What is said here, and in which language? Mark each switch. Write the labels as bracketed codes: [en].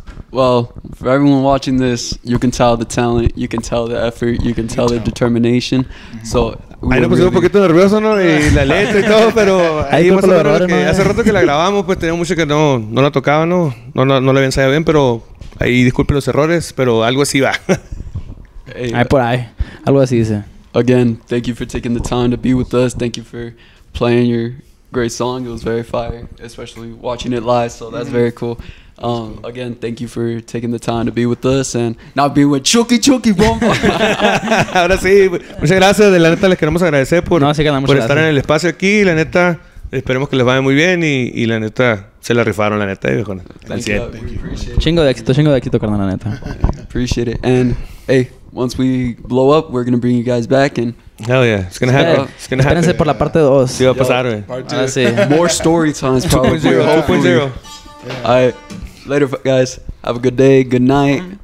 [en] Well, for everyone watching this, you can tell the talent, you can tell the effort, you can tell the determination. So, [es] ahí nos pusimos un poquito nervioso, ¿no? Y la letra y todo, pero ahí más o menos que hace rato que la grabamos, pues tenía mucho que no la tocaba, ¿no? No la había ensayado bien, pero ahí disculpe los errores, pero algo así va. Ahí por ahí, algo así dice. [en] Again, thank you for taking the time to be with us. Thank you for playing your great song. It was very fire, especially watching it live, so that's very cool. Again, thank you for taking the time to be with us and not being with Chucky Chucky Bomba. [es] Ahora sí, muchas gracias. De la neta les queremos agradecer por, no, sí, que no, por estar en el espacio aquí. La neta, esperemos que les vaya muy bien y la neta se la rifaron, la neta. [en] Thank you, thank [es] you. Chingo de éxito, carnal, la neta. [en] Appreciate it. And hey, once we blow up, we're gonna bring you guys back and. Hell yeah, it's gonna happen. It's gonna happen. [es] Espérense por la parte 2. Sí, va a pasar, güey. Ahora sí. [en] More story times, probably. 2.0. 2.0. All right, later, guys. Have a good day. Good night.